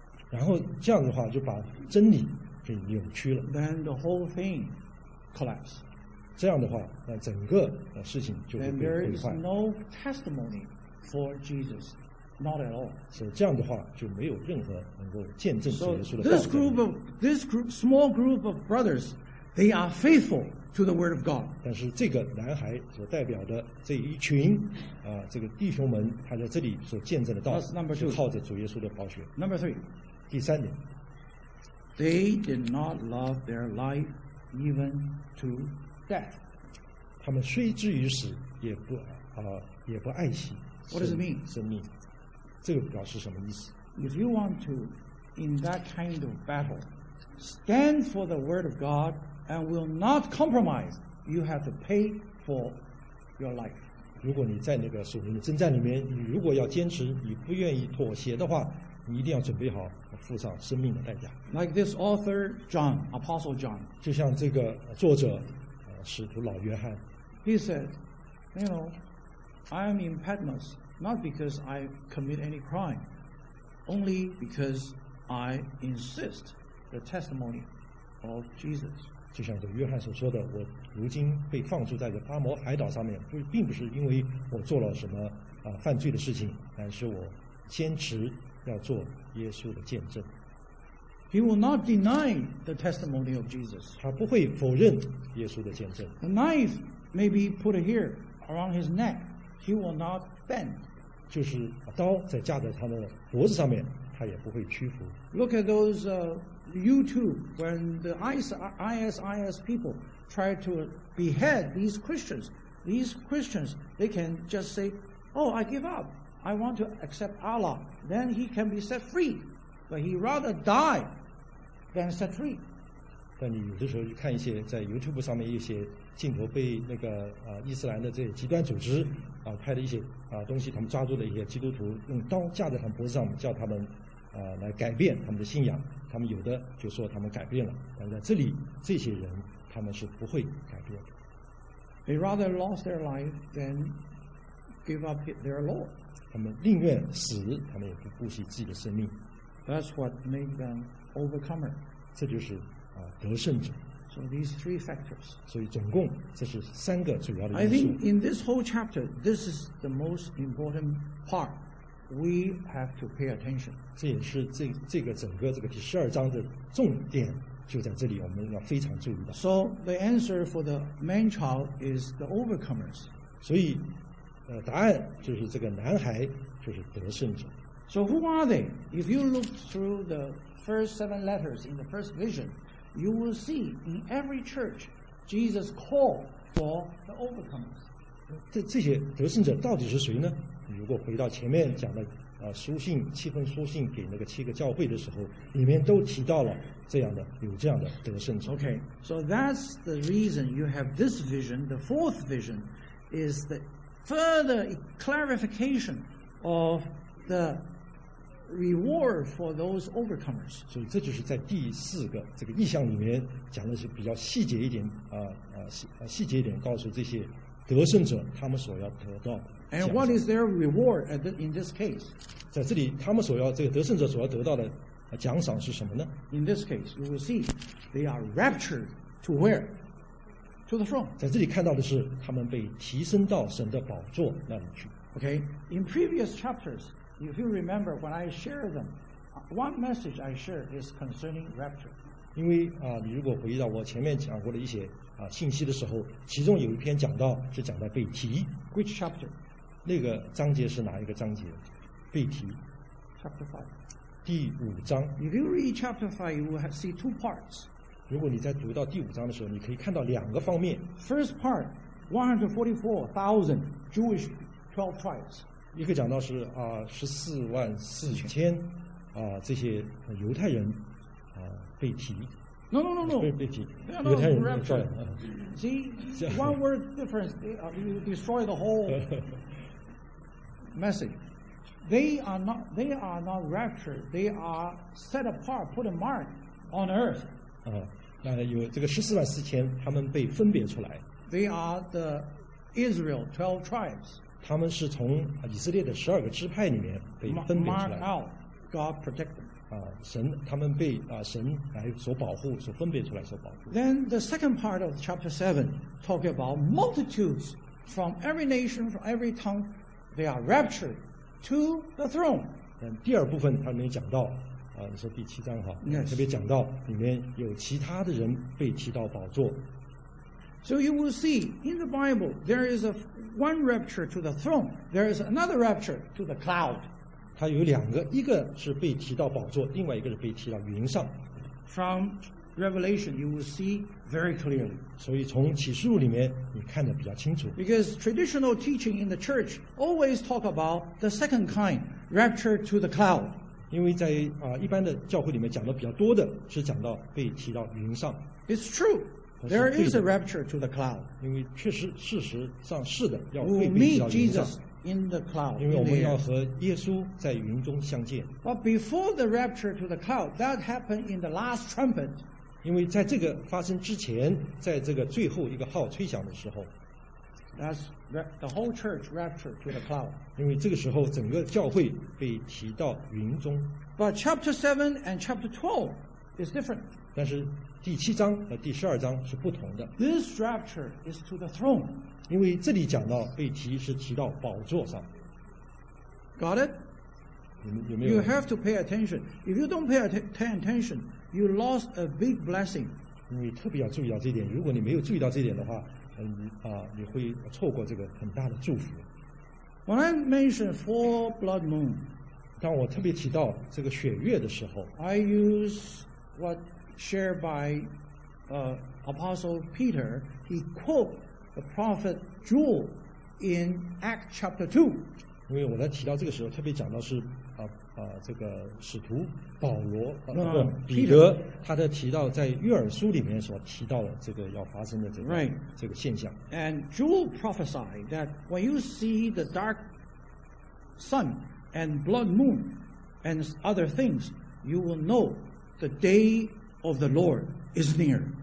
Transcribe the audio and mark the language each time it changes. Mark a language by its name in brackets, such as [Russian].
[Chinese] 然后这样的话就把真理给扭曲了。 [English] Then the whole thing collapse. [Chinese] 这样的话，那整个事情就会被毁坏。 [English] Then there is no testimony for Jesus, not at all. [Chinese] 所以这样的话就没有任何能够见证主耶稣的道。 [English] So small group of brothers, they are faithful to the word of God. [Chinese] 但是这个男孩所代表的这一群这个弟兄们，他在这里所见证的道是靠着主耶稣的宝血。 [English] Number three. [Chinese] 第三点， [English] they did not love their life even to death. [Chinese] 他们虽至于死，也不爱惜。 [English] What does it mean? [Chinese] 生命，这个表示什么意思？ [English] If you want to, in that kind of battle, stand for the word of God and will not compromise, you have to pay for your life. [Chinese] 如果你在那个属灵的征战里面，你如果要坚持，你不愿意妥协的话。你一定要准备好付上生命的代价。 [English] Like this author John, Apostle John, [Chinese] 就像这个作者使徒老约翰。 [English] He said, "You know, I am in Patmos not because I commit any crime, only because I insist the testimony of Jesus." [Chinese] 就像这个约翰所说的，我如今被放逐在这巴摩海岛上面，并不是因为我做了什么犯罪的事情，而是我坚持。要做耶稣的见证。 [English] He will not deny the testimony of Jesus. [Chinese] 他不会否认耶稣的见证。 [English] The knife may be put here around his neck. He will not bend. [Chinese] 就是刀在架在他的脖子上面，他也不会屈服。 [English] Look at those YouTube when the ISIS people try to behead these Christians. These Christians, they can just say, "Oh, I give up." I want to accept Allah, then he can be set free. But he rather die than set free. [Chinese] 但你有的时候就看一些在 YouTube 上面一些镜头，被那个伊斯兰的这些极端组织拍的一些东西，他们抓住了一些基督徒，用刀架在他们脖子上，叫他们来改变他们的信仰。他们有的就说他们改变了，但在这里这些人他们是不会改变的。 [English] They rather lost their life than give up their Lord. [Chinese] 他们宁愿死，他们也不顾惜自己的生命。 [English] That's what makes them overcomer. [Chinese] 这就是得胜者。 [English] So these three factors. [Chinese] 所以总共这是三个主要的因素。 [English] I think in this whole chapter, this is the most important part. We have to pay attention. [Chinese] 这也是这个整个这个第十二章的重点。就在这里我们要非常注意的。 [English] So the answer for the man child is the overcomers. [Chinese] 所以答案就是这个男孩就是得胜者。 [English] So who are they? If you look through the first seven letters in the first vision, you will see in every church, Jesus called for the overcomers. [Chinese] 这些得胜者到底是谁呢？如果回到前面讲的书信七封书信给那个七个教会的时候，里面都提到了这样的有这样的得胜者。 [English] Okay, so that's the reason you have this vision. The fourth vision is the further clarification of the reward for those overcomers. [Chinese] 所以这就是在第四个这个意象里面讲的是比较细节一点细节一点，告诉这些得胜者他们所要得到的。 [English] And what is their reward in this case? [Chinese] 在这里，他们所要这个得胜者所要得到的奖赏是什么呢？ [English] In this case, you will see they are raptured to where? To the throne. [Chinese] 在这里看到的是他们被提升到神的宝座那里去。 [English] Okay, in previous chapters, if you remember when I share them, one message I share is concerning rapture. [Chinese] 因为你如果回到我前面讲过的一些信息的时候，其中有一篇讲到是讲到被提。 [English] Which chapter? [Chinese] 那个章节是哪一个章节？被提。 [English] Chapter five. [Chinese] 第五章。 [English] If you read chapter five, you will see two parts. [Chinese] 如果你在读到第五章的时候，你可以看到两个方面。 [English] First part, 144,000 Jewish 12 tribes. [Chinese] 一个讲到是144,000这些犹太人被提。 [English] No. [Chinese] 被提。犹太人被提。 [English] See, one word difference, you destroy the whole. message. They are not raptured. They are set apart, put a mark on earth. [Chinese] 有这个144,000，他们被分别出来。 [English] They are the Israel 12 tribes. [Chinese] 他们是从以色列的十二个支派里面被分别出来。 [English] Mark out, God protect them. [Chinese] 神他们被神来所保护，所分别出来，所保护。 [English] Then the second part of chapter 7 talk about multitudes from every nation, from every tongue. They are raptured to the throne. [Chinese] 第二部分他里面讲到你说第七章哈、 [English] yes. [Chinese] 特别讲到里面有其他的人被提到宝座。 [English] So you will see in the Bible, there is one rapture to the throne. There is another rapture to the cloud. [Chinese] 他有两个，一个是被提到宝座，另外一个是被提到云上。 [English] From Revelation, you will see very clearly. [Chinese] 所以从启示录里面你看得比较清楚。 [English] Because traditional teaching in the church always talk about the second kind, rapture to the cloud. [Chinese] 因为在一般的教会里面讲的比较多的是讲到被提到云上。 [English] It's true. There is a rapture to the cloud. [Chinese] 因为确实事实上是的，要被提到云上。 [English] We meet Jesus in the cloud. [Chinese] 因为我们要和耶稣在云中相见。 [English] But before the rapture to the cloud, that happened in the last trumpet. [Chinese] 因为在这个发生之前，在这个最后一个号吹响的时候 [English] ，That's the whole church raptured to the cloud. [Chinese] 因为这个时候整个教会被提到云中。 [English] But chapter 7 and chapter 12 is different. [Chinese] 但是第七章和第十二章是不同的。 [English] This rapture is to the throne. [Chinese] 因为这里讲到被提是提到宝座上。 [English] Got it? [Chinese] 有没有 [English] You have to pay attention. If you don't pay attention. You lost a big blessing. [Chinese] 你特别要注意到这一点。如果你没有注意到这一点的话，你会错过这个很大的祝福。 [English] When I mentioned four blood moon, [Chinese] 当我特别提到这个血月的时候 [English] ，I use what shared by Apostle Peter. He quote the prophet Joel in Act chapter 2. [Chinese] 因为我在提到这个时候，特别讲到是。这个使徒保罗彼得他在提到在约珥书里面所提到的这个要发生的这个、 [English] right. [Chinese] 这个现象 [English] and Joel prophesied that when you see the dark sun and blood moon and other things you will know the day of the Lord is near